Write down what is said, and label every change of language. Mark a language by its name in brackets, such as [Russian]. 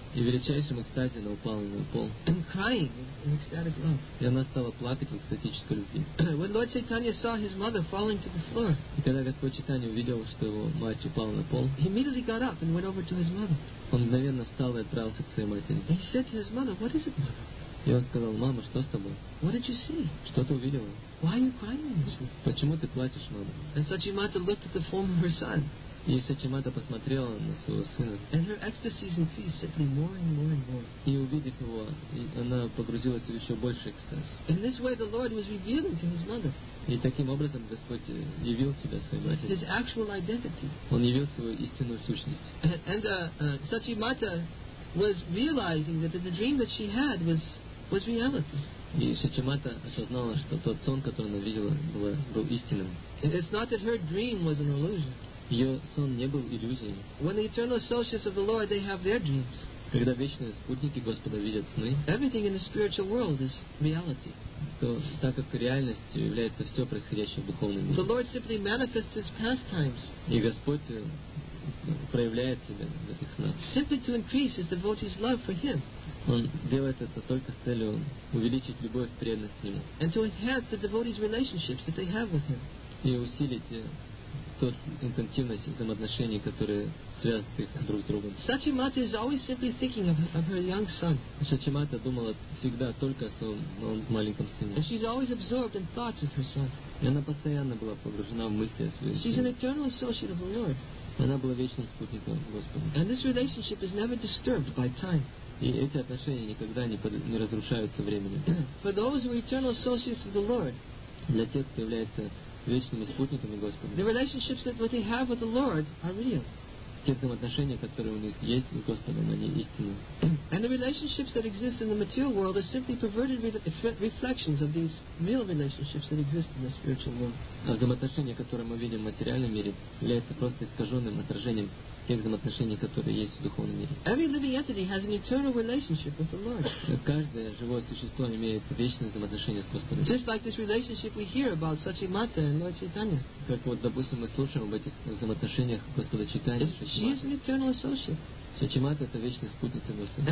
[Russian] И в величайшем экстазе она упала на пол. [English] And crying in ecstatic love. [Russian] И она стала плакать в экстатической любви. [English] When Lord Chaitanya saw his mother falling to the floor, [Russian] и когда Господь Чайтанья увидел, что его мать упала на пол, [English] he immediately got up and went over to his mother. [Russian] Он мгновенно встал и отправился к своей матери. [English] And he said to his mother, "What is it, mother?" [Russian] И он сказал, мама, что с тобой? [English] What did you see? [Russian] Что ты увидела? [English] Why are you crying? [Russian] Почему ты плачешь, мама? [English] And Сачимата looked at the form of her son. [Russian] И Сачимата посмотрела на своего сына. [English] And her ecstasies increased simply more and more and more. [Russian] И увидев его, и она погрузилась в еще больше экстаз. [English] In this way the Lord was revealing to his mother. [Russian] И таким образом Господь явил себя своей матери. [English] His actual identity. [Russian] Он явил свою истинную сущность. [English] And Сачимата was realizing that the dream that she had was reality. [Russian] И Сачимата осознала, что тот сон, который она видела, был истинным. [English] It's not that her dream was an illusion. [Russian] Ее сон не был иллюзией. [English] When the eternal associates of the Lord, they have their dreams. [Russian] Когда вечные спутники Господа видят сны, [English] everything in the spiritual world is reality. [Russian] То, так как реальностью является все происходящее в духовном мире. [English] The Lord simply manifests his pastimes. [Russian] И Господь проявляет себя в этих снах. [English] Simply to increase his devotees' love for him. [Russian] Он делает это только с целью увеличить любовь и преданность к нему. [English] And to enhance the devotees' relationships that they have with him. [Russian] И усилить тот интенсивность взаимоотношений, которые связывают их друг с другом. [English] Сачимата is always simply thinking of her young son. [Russian] Сачимата думала всегда только о своем маленьком сыне. [English] And she's always absorbed in thoughts of her son. [Russian] И она постоянно была погружена в мысли о своем сыне. [English] She's an eternal associate of the Lord. [Russian] Она была вечным спутником Господа. [English] And this relationship is never disturbed by time. [Russian] И эти отношения никогда не разрушаются временем. [English] For those who are eternal associates of the Lord, [Russian] для тех, кто является вечными спутниками Господа, [English] the relationships that they have with the Lord are real. [Russian] Те взаимоотношения, которые у них есть с Господом, они истинны. [English] And the relationships that exist in the material world are simply perverted reflections of these real relationships that exist in the spiritual world. [Russian] А взаимоотношения, которые мы видим в материальном мире, являются просто искаженным отражением тех взаимоотношений, которые есть в духовном мире. [English] Every living entity has an eternal relationship with the Lord. [Russian] Каждое живое существо имеет вечное взаимоотношение с Господом. [English] Just like this relationship we hear about Сачимата and Lord Chaitanya. [Russian] Как вот, допустим, мы слушаем об этих взаимоотношениях Господа Чайтаньи. [English] She is an eternal associate. [Russian] Сачимата — это вечный спутник Господа.